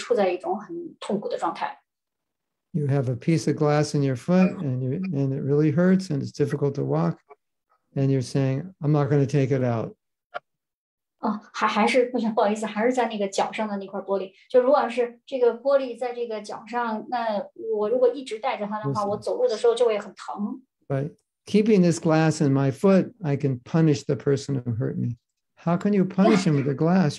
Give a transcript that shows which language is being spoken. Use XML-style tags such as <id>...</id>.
<zh>那因为我觉得这样的话呢，就能够让我心爽。但其实并不是这样的。那么，因为你再把这个食物里面一直放这块玻璃，就会让你一直处在一种很痛苦的状态。</zh> <en>You have a piece of glass in your foot, and it really hurts, and it's difficult to walk, and you're saying, "I'm not going to take it out."</en> <zh>哦，还是不行，不好意思，还是在那个脚上的那块玻璃。就如果是这个玻璃在这个脚上，那我如果一直带着它的话，我走路的时候就会很疼。</zh> <en>Right. Keeping this glass in my foot, I can punish the person who hurt me. How can you punish him with a glass?</en>